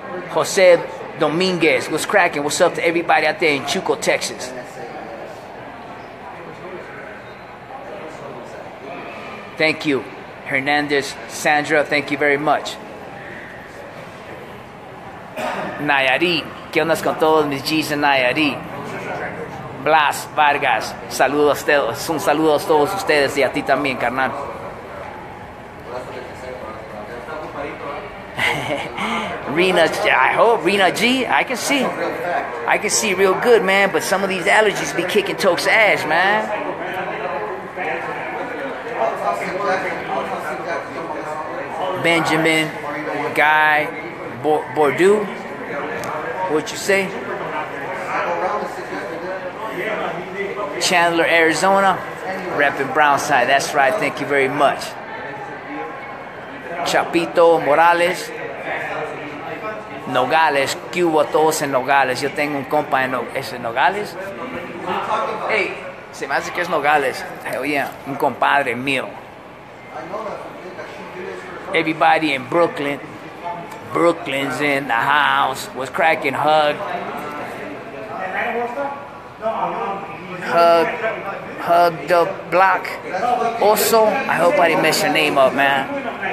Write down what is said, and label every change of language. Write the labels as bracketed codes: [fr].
[en] Jose Dominguez, what's cracking? What's up to everybody out there in Chuco, Texas? Thank you, Hernandez, Sandra, thank you very much. [es] Nayarit, ¿qué onda con todos mis G's en Nayarit? Blas Vargas, saludos a todos, un saludo a todos ustedes y a ti también, carnal. [en] Rena, I hope, Rena G, I can see real good, man, but some of these allergies be kicking Tok's ass, man. Benjamin, Guy, Bordeaux, what you say? Chandler, Arizona, repping Brownside, that's right, thank you very much. [es] Chapito, Morales, Nogales, ¿qué hubo todos en Nogales? Yo tengo un compa en Nogales, ¿es Nogales? Hey, se me hace que es Nogales, oye, un compadre mío. [en] Everybody in Brooklyn, Brooklyn's in the house, was cracking. Hug the block. Also, I hope I didn't mess your name up, man.